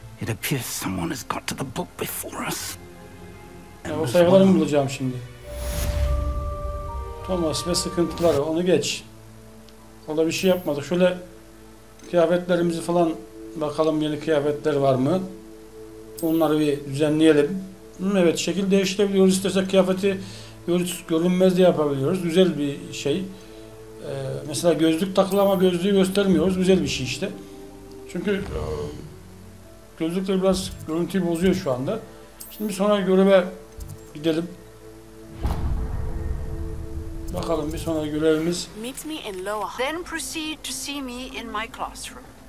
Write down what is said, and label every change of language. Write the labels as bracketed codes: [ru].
[en] It appears someone has got to the book before us. [tr] O sayfaları mı bulacağım şimdi? Thomas ve sıkıntıları, onu geç. Orada bir şey yapmadık. Şöyle Kıyafetlerimizi falan bakalım, yeni kıyafetler var mı? Onları bir düzenleyelim. Evet, şekil değiştirebiliyoruz. İstersek kıyafeti görünmez diye yapabiliyoruz. Güzel bir şey. Mesela gözlük takılı ama gözlüğü göstermiyoruz. Güzel bir şey işte. Çünkü gözlükler biraz görüntüyü bozuyor şu anda. Şimdi bir sonraki göreve gidelim. Bakalım bir sonraki görevimiz. [en] Meet me in lower. Then proceed to see me in my classroom.